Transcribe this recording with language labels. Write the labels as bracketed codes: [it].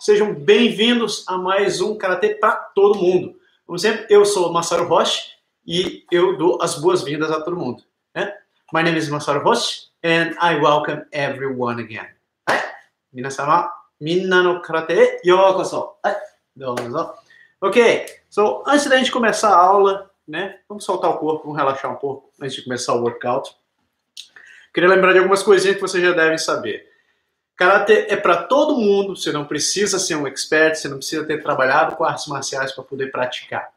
[pt] Sejam bem-vindos a mais um Karate para todo mundo. Como sempre, eu sou Masaru Roshi e eu dou as boas-vindas a todo mundo. Né? [en] My name is Masaru Roshi and I welcome everyone again. [ja] Minasama, minna no karate, yokoso. Dozo. [pt] Ok, so antes da gente começar a aula, né, vamos soltar o corpo, vamos relaxar um pouco antes de começar o workout. Queria lembrar de algumas coisinhas que vocês já devem saber. Karate é para todo mundo, você não precisa ser um expert, você não precisa ter trabalhado com artes marciais para poder praticar.